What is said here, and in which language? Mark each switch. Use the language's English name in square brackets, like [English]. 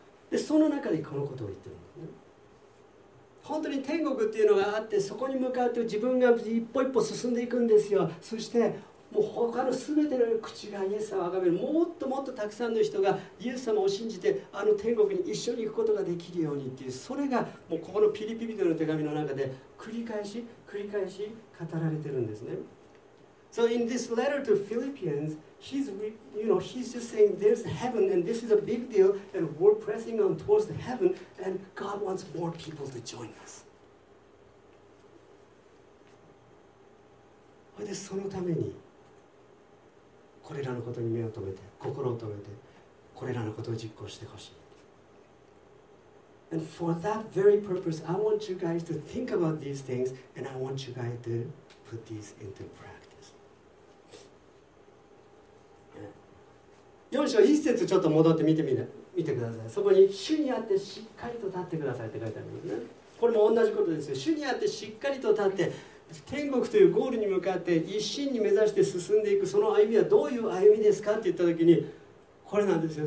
[Japanese] で、その中でこのことを言ってるんですね。本当に天国っていうのがあって、そこに向かって自分が一歩一歩進んでいくんですよ。そしてもう他の全ての口がイエス様を崇める、もっともっとたくさんの人がイエス様を信じてあの天国に一緒に行くことができるようにっていう、それがもうここのピリピリの手紙の中で繰り返し繰り返し語られてるんですね。 [English] So in this letter to Philippians, he's, you know, he's just saying there's heaven and this is a big deal and we're pressing on towards the heaven and God wants more people to join us. [Japanese] それでそのためにこれらのことに目を留めて、心を留めて、これらのことを実行してほしい。 [English] And for that very purpose, I want you guys to think about these things, and I want you guys to put these into practice. [Japanese] 4章1節ちょっと戻って見てください。そこに、主にあってしっかりと立ってくださいって書いてあるんですね。これも同じことですよ。主にあってしっかりと立って、天国というゴールに向かって一心に目指して進んでいく、その歩みはどういう歩みですかって言った時に、これなんですよ。